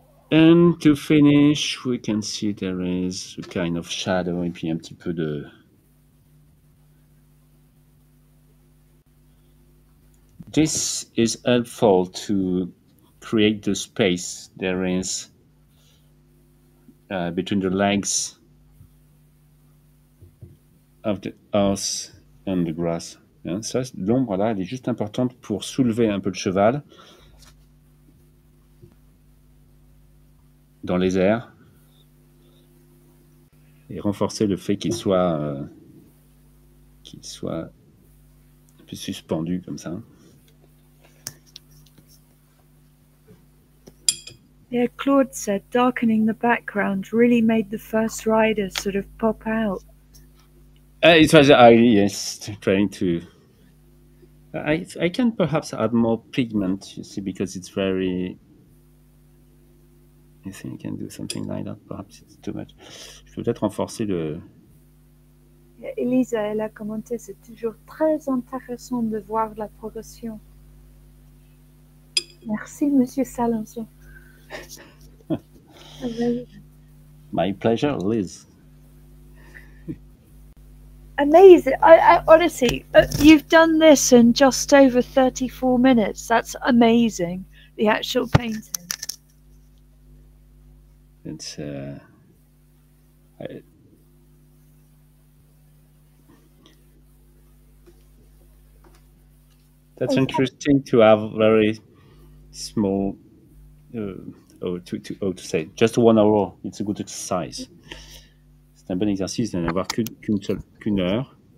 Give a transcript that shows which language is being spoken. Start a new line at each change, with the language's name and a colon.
English: And to finish, we can see there is a kind of shadow,
French: et puis un petit peu
English: This is helpful to create the space there is between the legs of the horse and the grass.
French: Yeah, ça, l'ombre là, elle est juste importante pour soulever un peu le cheval dans les airs et renforcer le fait qu'il soit un peu suspendu comme ça.
English: Yeah, Claude said darkening the background really made the first rider sort of pop out. I can perhaps add more pigment, you see, because it's very. I think I can do something like that. Perhaps it's too much.
French: Je peux peut-être renforcer le. Yeah, Elisa, elle a commenté, c'est toujours très intéressant de voir la progression. Merci, Monsieur Salanson.
English: My pleasure, Liz. Amazing. I honestly, you've done this in just over 34 minutes. That's amazing. The actual painting. It's that's interesting to have very small to say just 1 hour. It's a good exercise.
French: C'est un bon exercice de n'avoir qu'une heure.